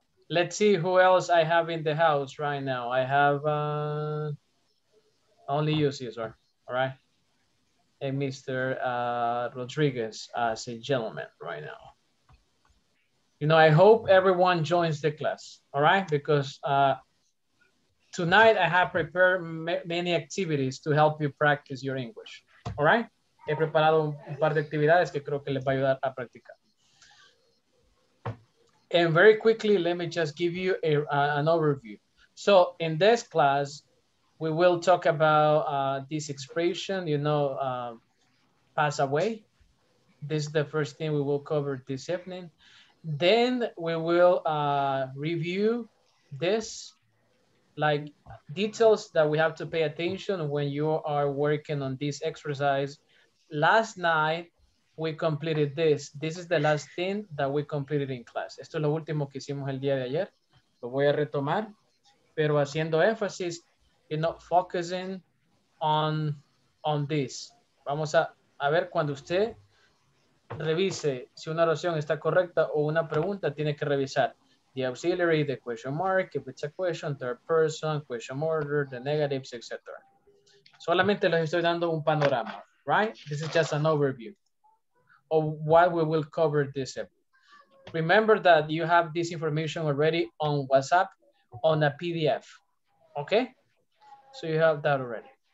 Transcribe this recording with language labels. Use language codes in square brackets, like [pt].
[en] Let's see who else I have in the house right now. I have only you, Cesar, all right? And Mr. Rodriguez as a gentleman right now. You know, I hope everyone joins the class, all right? Because tonight I have prepared many activities to help you practice your English, all right? [es] He preparado un par de actividades que creo que les va a ayudar a practicar. [en] And very quickly, let me just give you an overview. So in this class, we will talk about this expression, you know, pass away. This is the first thing we will cover this evening. Then we will review this, like details that we have to pay attention when you are working on this exercise. Last night, we completed this. This is the last thing that we completed in class. [es] Esto es lo último que hicimos el día de ayer. Lo voy a retomar, pero haciendo énfasis, [en] you know, focusing on this. [es] Vamos a ver cuando usted revise si una oración está correcta o una pregunta, tiene que revisar. [en] The auxiliary, the question mark, if it's a question, third person, question order, the negatives, etc. [es] Solamente les estoy dando un panorama, [en] right? This is just an overview of what we will cover this episode. Remember that you have this information already on WhatsApp on a PDF, okay? So you have that already.